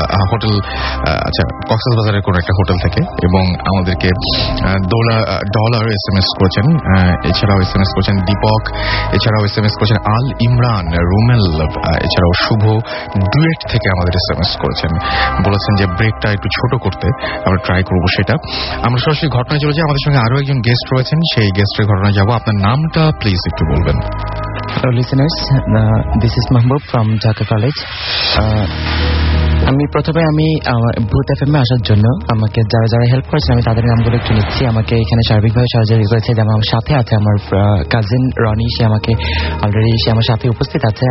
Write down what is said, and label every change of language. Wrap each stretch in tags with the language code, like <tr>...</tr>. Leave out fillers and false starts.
<bn>Hotel, আচ্ছা কক্সবাজারের কোন একটা হোটেল থেকে, এবং আমাদেরকে ডলার এসএমএস করেছেন, এছাড়াও এসএমএস করেছেন দীপক, এছাড়াও এসএমএস করেছেন আল ইমরান, রুমেল, এছাড়াও শুভ ডুয়েট থেকে আমাদের এসএমএস করেছেন, বলেছেন যে ব্রেকটা একটু ছোট করতে আমরা ট্রাই করবো সেটা। আমরা সরাসরি ঘটনায় চলে যাই, আমাদের সঙ্গে আরো একজন গেস্ট রয়েছেন, সেই গেস্টের ঘটনায় যাবো। আপনার নামটা প্লিজ একটু বলবেন।</bn> <en>Hello listeners, this is Mahbub from Dhaka College.</en> <bn>আমি প্রথমে আমি ভূত এফএমএ আসার জন্য আমাকে যারা যারা হেল্প করেছে আমি তাদের নামগুলো একটু নিচ্ছি। আমাকে এখানে সার্বিকভাবে সাহায্য করেছে, যেমন আমার সাথে আছে আমার কাজিন রনি, সে আমাকে অলরেডি সে আমার সাথে উপস্থিত আছে।</bn>